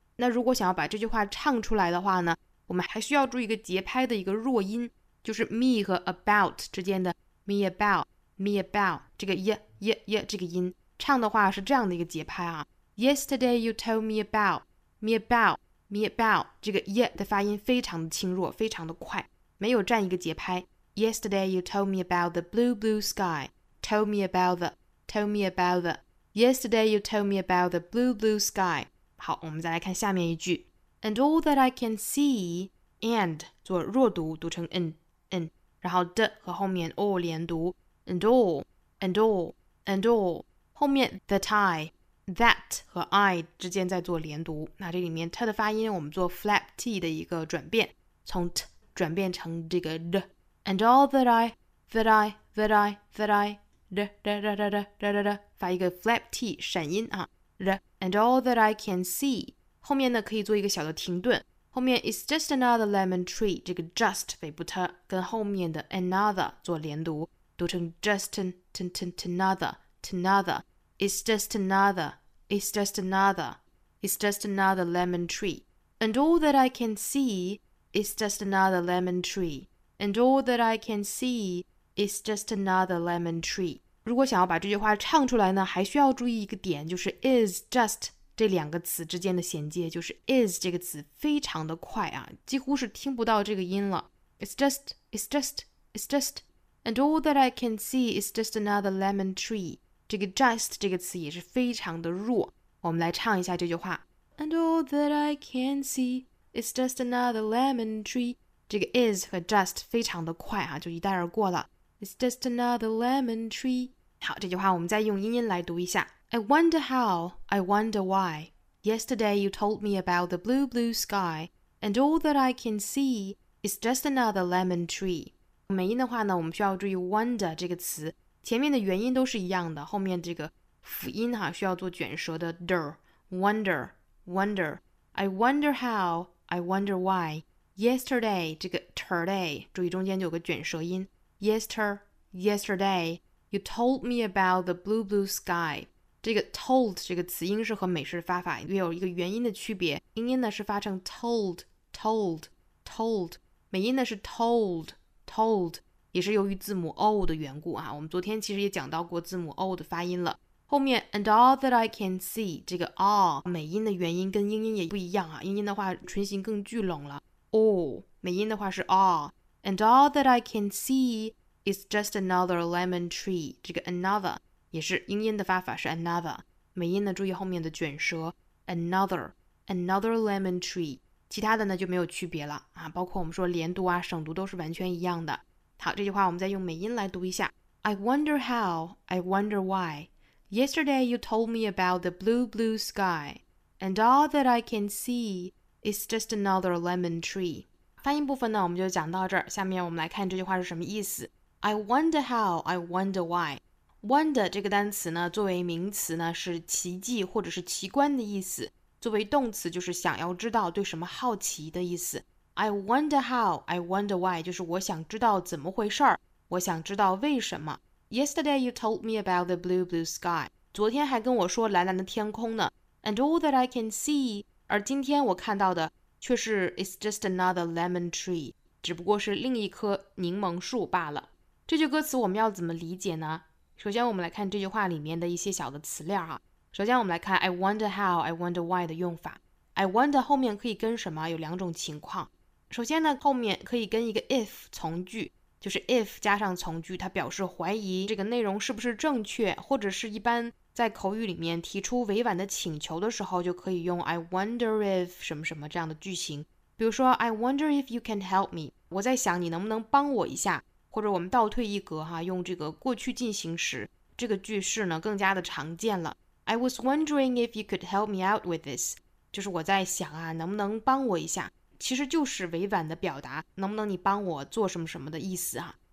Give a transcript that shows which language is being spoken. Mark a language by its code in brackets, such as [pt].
[zh] 那如果想要把这句话唱出来的话呢，我们还需要注意一个节拍的一个弱音，就是 me 和 about 之间的 me about me about 这个 ye ye ye 这个音唱的话是这样的一个节拍啊， [en] yesterday you told me aboutme about me about [zh] 这个 ye 的发音非常的轻弱，非常的快，没有占一个节拍。 [en] Yesterday you told me about the blue blue sky. Told me about the. Told me about the. Yesterday you told me about the blue blue sky. [zh] 好，我们再来看下面一句。 [en] And all that I can see. [zh] And 做弱读，读成 n n， 然后 d 和后面 all 连读。 [en] And all and all and all [zh] 后面 [en] the tie。 [zh] That 和 I 之间在做连读，那这里面 T 的发音我们做 flap T 的一个转变，从 T 转变成这个 D。 And all that I that I that I that I D D D D D D D D 发一个 flap T 闪音啊 D。 [en] And all that I can see [zh] 后面呢可以做一个小的停顿，后面 [en] It's just another lemon tree， [zh] 这个 just 尾部 t 跟后面的 another 做连读，读成 just another another。 [en] It's just another, it's just another, it's just another lemon tree. And all that I can see is just another lemon tree. And all that I can see is just another lemon tree. [zh] 如果想要把这句话唱出来呢，还需要注意一个点，就是 is just 这两个词之间的衔接，就是 is 这个词非常的快啊，几乎是听不到这个音了。 [en] It's just, it's just, it's just. And all that I can see is just another lemon tree. [zh] 这个 just 这个词也是非常的弱，我们来唱一下这句话。 [en] And all that I can see is just another lemon tree. [zh] 这个 is 和 just 非常的快啊，就一带而过了。 [en] It's just another lemon tree. [zh] 好，这句话我们再用音来读一下。 [en] I wonder how, I wonder why. Yesterday you told me about the blue blue sky. And all that I can see is just another lemon tree. [zh] 美音的话呢，我们需要注意 wonder 这个词。前面的元音都是一样的，后面这个辅音哈需要做卷舌的 der, wonder, wonder. [en] I wonder how, I wonder why. [zh] Yesterday, 这个 today, 注意中间就有个卷舌音。 [en] Yesterday, you told me about the blue blue sky. [zh] 这个 told 这个词音是和美式发法也有一个元音的区别，英音呢是发成 told, told, told, 美音呢是 told, told. 也是由于字母 O 的缘故啊，我们昨天其实也讲到过字母 O 的发音了。后面 [en] And all that I can see [zh] 这个 all 美音的元音跟英音也不一样啊，英音的话唇形更聚拢了 O、oh, 美音的话是 all [en] And all that I can see is just another lemon tree [zh] 这个 another 也是英音的发法是 another 美音呢注意后面的卷舌 another another lemon tree 其他的呢就没有区别了啊，包括我们说连读啊省读都是完全一样的。好，这句话我们再用美音来读一下。 [en] I wonder how, I wonder why. Yesterday you told me about the blue blue sky. And all that I can see is just another lemon tree. [zh] 发音部分呢，我们就讲到这儿。下面我们来看这句话是什么意思。 [en] I wonder how, I wonder why. [zh] Wonder 这个单词呢，作为名词呢，是奇迹或者是奇观的意思。作为动词就是想要知道，对什么好奇的意思。 [en] I wonder how, I wonder why, [zh] 就是我想知道怎么回事儿，我想知道为什么。 [en] Yesterday you told me about the blue blue sky, [zh] 昨天还跟我说蓝蓝的天空呢。 [en] And all that I can see, [zh] 而今天我看到的却是 [en] It's just another lemon tree, [zh] 只不过是另一棵柠檬树罢了。这句歌词我们要怎么理解呢？首先我们来看这句话里面的一些小的词链啊。首先我们来看 I wonder how, I wonder why 的用法。 I wonder 后面可以跟什么，有两种情况。首先呢，后面可以跟一个 if 从句，就是 if 加上从句，它表示怀疑这个内容是不是正确，或者是一般在口语里面提出委婉的请求的时候，就可以用 I wonder if 什么什么这样的句型。比如说 [en] I wonder if you can help me， [zh] 我在想你能不能帮我一下。或者我们倒退一格哈，用这个过去进行时，这个句式呢更加的常见了。 [en] I was wondering if you could help me out with this， [zh] 就是我在想啊，能不能帮我一下。其实就是委婉的表达能不能你帮我做什么什么的意思啊。